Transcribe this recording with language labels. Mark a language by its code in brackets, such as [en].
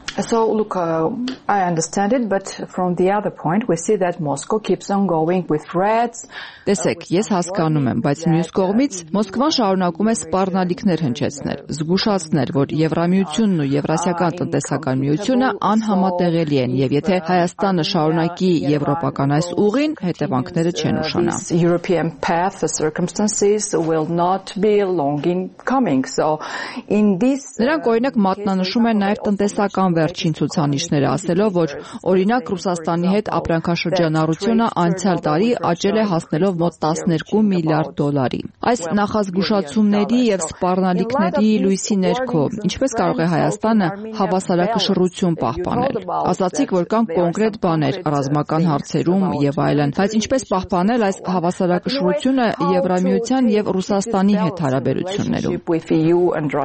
[en] So look, I understand it, but from the other point, we see that Moscow keeps on going with threats. [hy] Տեսեք, ես հասկանում եմ, բայց մյուս կողմից Մոսկվան շարունակում է սպառնալիքներ հնչեցնել, զգուշացնել, որ Եվրամիությունն ու Եվրասիական տնտեսական միությունը անհամատեղելի են, եւ եթե Հայաստանը շարունակի եվրոպական այս ուղին, հետևանքները չեն ուշանա. [en] European path for circumstances will not be long in coming. So in this [hy] նրանք օրինակ մատնանշում են նաեւ տնտեսական վերջին ցուցանիշները, ասելով, որ օրինակ Ռուսաստանի հետ ապրանքաշրջանառությունը անցյալ տարի աճել է հասնելով մոտ $12 միլիարդ. Այս նախազգուշացումների եւ սպառնալիքների լույսի ներքո ինչպես կարող է Հայաստանը հավասարակշռություն պահպանել։ Ասացիք, որ կան կոնկրետ բաներ ռազմական հարցերում եւ այլն, բայց ինչպես պահպանել այս հավասարակշռությունը Եվրամիության եւ Ռուսաստանի հետ հարաբերություններում։